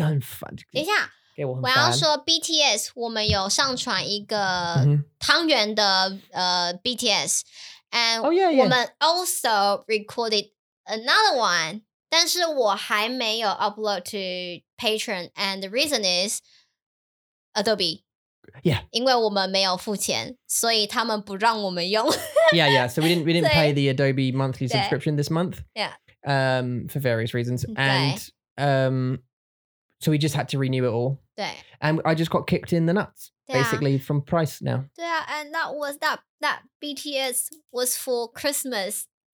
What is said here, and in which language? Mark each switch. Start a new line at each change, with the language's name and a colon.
Chinese: unfun.等一下，我要说 BTS，我们有上传一个汤圆的 BTS，and
English: oh, yeah, yeah.
Chinese: 我们
English: also recorded another one，
Chinese: 但是我还没有
English: upload to Patreon, and the reason is Adobe. Yeah.
Chinese: 因为我们没有付钱, 所以他们不让我们用.
English: Yeah, yeah. So we didn't pay the Adobe monthly subscription this month. Yeah. For various reasons. And so we just had to renew it all.
Chinese: 对.
English: And I just got kicked in the nuts, basically, from price now.
Chinese: 对啊,
English: and that was that BTS was for Christmas.